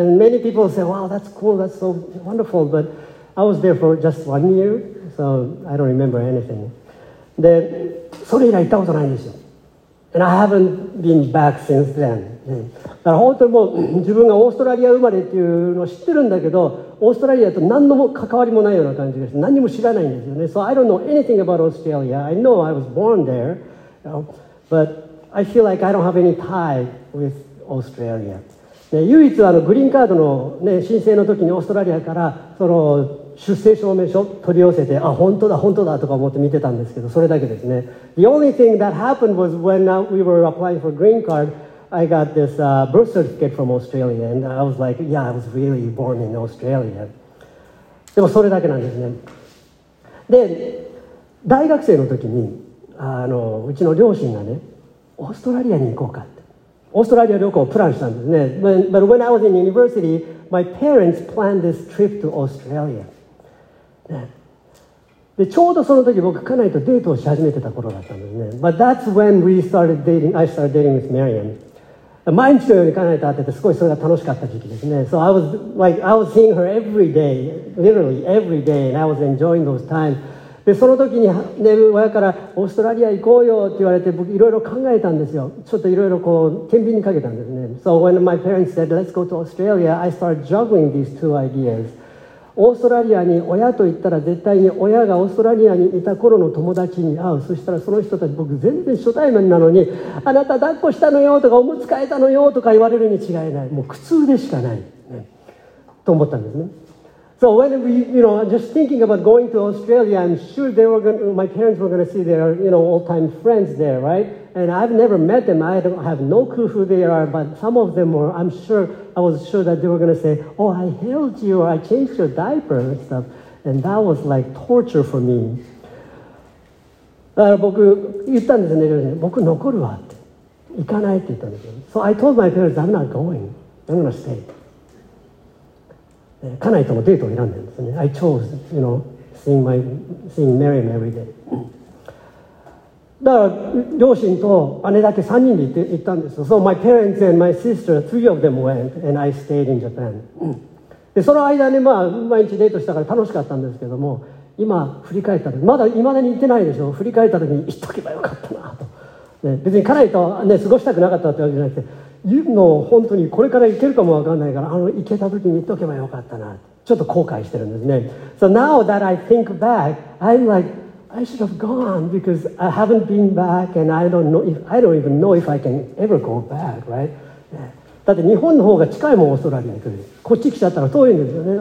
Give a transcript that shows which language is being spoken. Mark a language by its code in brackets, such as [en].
[en] And many people say wow that's cool, that's so wonderful, but I was there for just one year, so I don't remember anything. [ja] でそれ以来行ったことないんですよ。 [en] And I haven't been back since then. [ja] だから本当にもう自分がオーストラリア生まれっていうのを知ってるんだけど、オーストラリアと何の関わりもないような感じです。何も知らないんですよね。 [en] So I don't know anything about Australia. I know I was born there, you know, but I feel like I don't have any tie with Australia. [ja] 唯一あのグリーンカードの、ね、申請の時にオーストラリアからその出生証明書取り寄せて、あ本当だ本当だとか思って見てたんですけど、それだけですね。 [en] The only thing that happened was when we were applying for green card, I got this birth certificate from Australia and I was like, yeah, I was really born in Australia. [ja] でもそれだけなんですね。で大学生の時にうちの両親がね、オーストラリアに行こうかって、オーストラリア旅行をプランしたんですね。 [en] But when I was in university, my parents planned this trip to Australia.、 [ja] ね、でちょうどその時僕家内とデートをし始めてた頃だったんですね。 [en] But that's when we started dating, I started dating with Marian. [ja] 毎日のように家内と会ってて、すごいそれが楽しかった時期ですね。 [en] So I was, like, I was seeing her every day, literally every day, and I was enjoying those times. [ja] でその時に、ね、親からオーストラリア行こうよって言われて、僕いろいろ考えたんですよ。ちょっといろいろこう天秤にかけたんですね。 [en] So when my parents said let's go to Australia, I started juggling these two ideas. [ja] オーストラリアに親と言ったら絶対に親がオーストラリアにいた頃の友達に会う。そしたらその人たち、僕全然初対面なのに、あなた抱っこしたのよとかおむつ替えたのよとか言われるに違いない。もう苦痛でしかない、ね、と思ったんですね。 [en] So when we, you know, just thinking about going to Australia, I'm sure they were gonna, my parents were going to see their, you know, old-time friends there, right? And I've never met them. I don't have no clue who they are, but some of them were, I'm sure, I was sure that they were going to say, oh, I held you, or I changed your diaper and stuff. And that was like torture for me. [ja] だから僕言ったんですね、僕残るわって。行かないって言ったんですよ。 [en] So I told my parents, I'm not going. I'm going to stay. [ja] 家内ともデートを選んでるんですね。 [en] I chose, you know, seeing Mary every day. [ja] だから両親と姉だけ3人で行ったんですよ。 [en] So my parents and my sister, three of them went and I stayed in Japan. [ja] でその間ね、まあ、毎日デートしたから楽しかったんですけども、今振り返ったら、まだ未だに行ってないでしょ、振り返った時に行っとけばよかったなと、ね、別に家内と、ね、過ごしたくなかったってわけじゃなくて、の本当にこれから行けるかもわかんないから、行けた時に行っとけばよかったな、ちょっと後悔してるんですね。 [en] So now that I think back, I'm like, I should have gone because I haven't been back and I don't know if, I don't even know if I can ever go back, right? [ja] だって日本の方が近いもん、オーストラリアに来る。こっち来ちゃったら遠いんですよね。